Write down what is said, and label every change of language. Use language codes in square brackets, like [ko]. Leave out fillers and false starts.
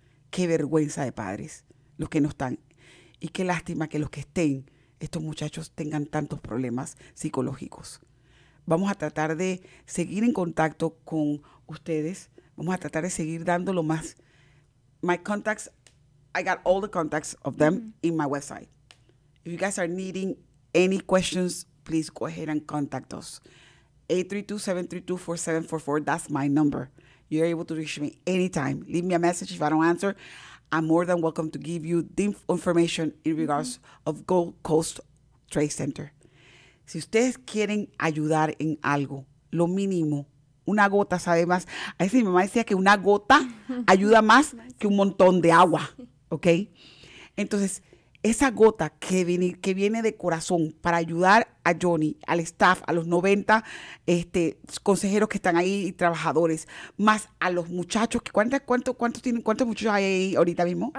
[es] Qué vergüenza de padres los que no están. Y qué lástima que los que estén, estos muchachos, tengan tantos problemas psicológicos. Vamos a tratar de seguir en contacto con ustedes. Vamos a tratar de seguir dando lo más. [en] My contacts, I got all the contacts of them mm-hmm. in my website. If you guys are needing any questions, please go ahead and contact us. 832-732-4744, that's my number. You're able to reach me anytime. Leave me a message if I don't answer. I'm more than welcome to give you the information in regards mm-hmm. of Gold Coast Trade Center. [es] Si ustedes quieren ayudar en algo, lo mínimo, una gota sabe más. A veces mi mamá decía que una gota ayuda más que un montón de agua, ¿ok? Entonces, esa gota que viene de corazón para ayudar a Johnny, al staff, a los 90 consejeros que están ahí y trabajadores, más a los muchachos, que ¿cuántos muchachos hay ahí ahorita mismo?